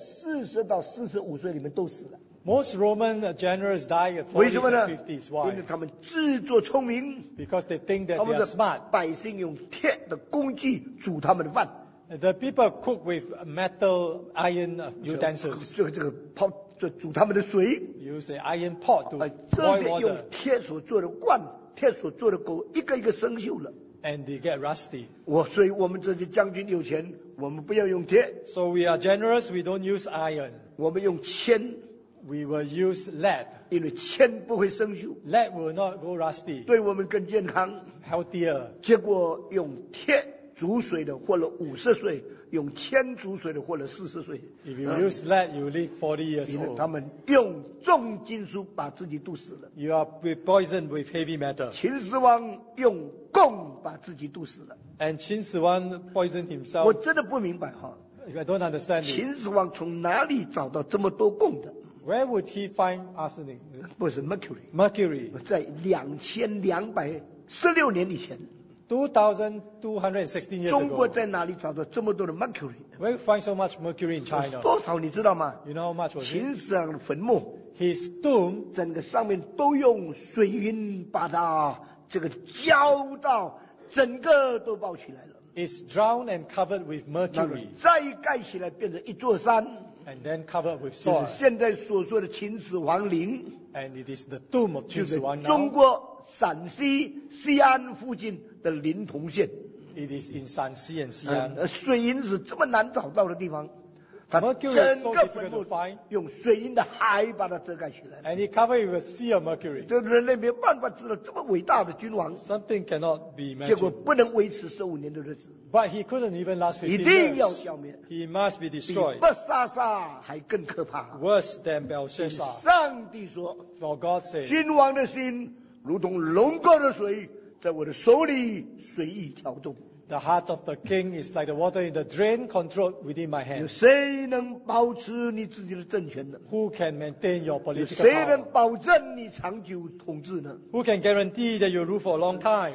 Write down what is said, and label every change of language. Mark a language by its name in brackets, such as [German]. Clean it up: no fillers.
[Chinese] 罗马帝国的将军都在40到45岁里面都死了。 [English] Most Roman generals die at 40s and 50s. Why? [Chinese] 因为他们自作聪明, [English] because they think that they are smart. [Chinese] 百姓用铁的工具煮他们的饭。 [English] The people cook with metal iron utensils. [Chinese] 这个煮他们的水。 [English] Use an iron pot to boil water. [Chinese] 这些用铁所做的罐、铁所做的锅，一个一个生锈了。 [English] And they get rusty. [Chinese] 所以我们这些将军有钱，我们不要用铁。 [English] So we are generous. We don't use iron. [Chinese] 我们用铅。 [English] We will use lead. [Chinese] 因为铅不会生锈。 [English] Lead will not go rusty. [Chinese] 对我们更健康。 [English] Healthier. [Chinese] 结果用铁煮水的活了50岁，用铅煮水的活了40岁。 [English] If you use lead, you live 40 years old. [Chinese] 他们用重金属把自己毒死了。 [English] You are poisoned with heavy metal. [Chinese] 秦始皇用汞把自己毒死了。 [English] And 秦始皇 poisoned himself. [Chinese] 我真的不明白哈。 [English] I don't understand. [Chinese] 秦始皇从哪里找到这么多汞的？ [English] Where would he find arsenic? [Chinese] 不是 mercury. [English] Mercury. [Chinese] 在2216年以前。 [English] 2216 years ago. [Chinese] 中国在哪里找到这么多的 mercury? [English] Where you find so much mercury in China? [Chinese] 多少你知道吗？ [English] You know how much was it? [Chinese] 秦始皇的坟墓。 [English] His tomb. [Chinese] 整个上面都用水银把它这个浇到整个都包起来了。 [English] It's drowned and covered with mercury. [Chinese] 再盖起来变成一座山。 [English] And then covered with soil. [Chinese] 现在所说的秦始皇陵 [English] ，and it is the tomb of 秦始皇。 [Chinese] 就是中国陕西西安附近的临潼县。 [English] It is in 陕西 and 西安。 [Chinese] 水银是这么难找到的地方，它整个坟墓用水银的海把它遮盖起来。 [English] And it covered with a sea of mercury. [Chinese] 这人类没有办法知道这么伟大的君王。 [English] Something cannot be imagined. [Chinese] 结果不能维持十五年的日子。 [English] But he couldn't even last 15 years. [Chinese] 一定要消灭。 [English] He must be destroyed. [Chinese] 比伯沙撒还更可怕。 [English] Worse than Belshazzar. [Chinese] 上帝说 [English] ，For God's sake， [Chinese] 君王的心如同龙沟的水，在我的手里随意调动。 [English] The heart of the king is like the water in the drain, controlled within my hand. [Chinese] 谁能保持你自己的政权呢 [English] ？Who can maintain your political power? [Chinese] 谁能保证你长久统治呢 [English] ？Who can guarantee that you rule for a long time?